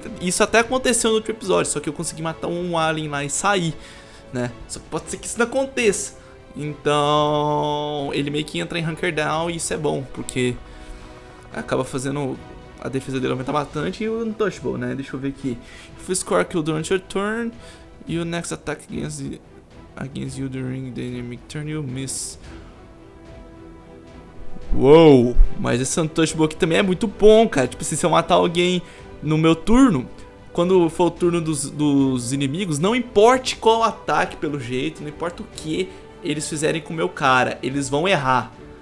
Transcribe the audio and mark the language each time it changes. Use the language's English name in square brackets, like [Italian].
[Portuguese] Isso até aconteceu no último episódio, só que eu consegui matar um alien lá e sair, né? Só que pode ser que isso não aconteça. Então, ele meio que entra em Hunker Down e isso é bom, porque acaba fazendo a defesa dele aumentar bastante e o Untouchable, né? Deixa eu ver aqui. [English] If you score a kill during your turn, your next attack against you during the enemy turn, you miss. [Portuguese] Uou, mas esse Untouchable aqui também é muito bom, cara. Tipo, se eu matar alguém no meu turno, quando for o turno dos inimigos, não importa qual ataque, pelo jeito, não importa o que eles fizerem com o meu cara, eles vão errar.